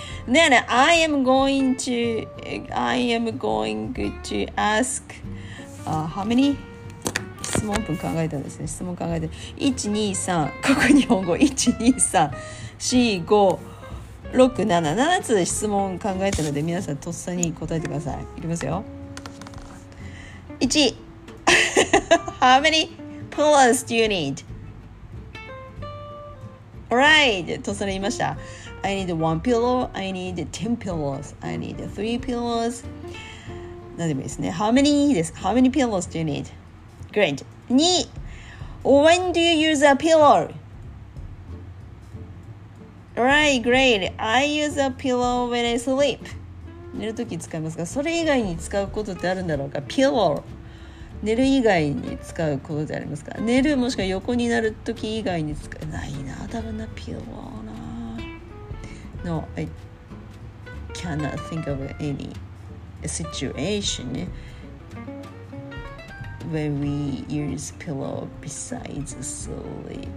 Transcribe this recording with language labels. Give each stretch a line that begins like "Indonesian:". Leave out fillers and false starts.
English: Then I am going to ask how many?
Japanese: 質問文考えたんですね。質問考えて。1、2、3。 ここ日本語。1、2、3、4、5、6、7。 7つ質問考えたので、皆さんとっさに答えてください。いきますよ。
English: 1。How many pillows do you need? Alright!
Japanese: とそれ言いました。
English: I need one pillow. I need ten pillows. I need three pillows.
Japanese: 何でもいいですね。
English: How many です。 How many pillows do you need? Great. 2. When do you use a pillow? Alright, great. I use a pillow when I sleep.
Japanese: 寝るとき使いますが、それ以外に使うことってあるんだろうか。
English: Pillow。
Japanese: 寝る以外に使うことでありますか。寝るもしくは横になるとき以外に使う。ないな、多分な、
English: pillow
Japanese: な。
English: No, I cannot think of any situation when we use pillow besides sleep.